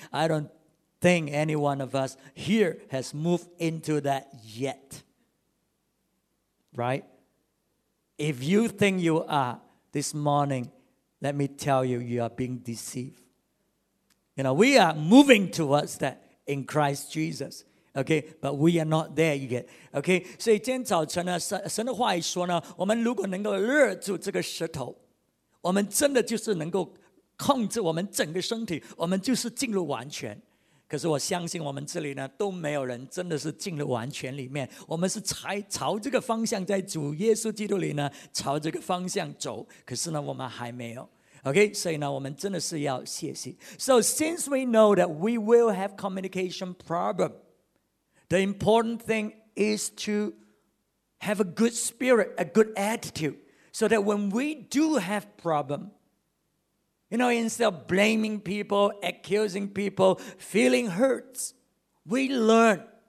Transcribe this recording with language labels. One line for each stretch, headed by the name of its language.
English: I don't think any one of us here has moved into that yet. Right? If you think you are this morning, let me tell you, you are being deceived. You know, we are moving towards that in Christ Jesus. Okay, but we are not there yet.
Chinese: Okay, 所以今天早晨呢，神的话一说呢，我们如果能够勒住这个石头，我们真的就是能够控制我们整个身体，我们就是进入完全。可是我相信我们这里呢，都没有人真的是进入完全里面，我们是朝这个方向，在主耶稣基督里呢，朝这个方向走。可是呢，我们还没有。
English: Okay,
Chinese: 所以呢，我们真的是要谢谢。
English: So since we know that we will have communication problem, the important thing is to have a good spirit, a good attitude, so that when we do have problem, you know, instead of blaming people, accusing people, feeling hurts, we learn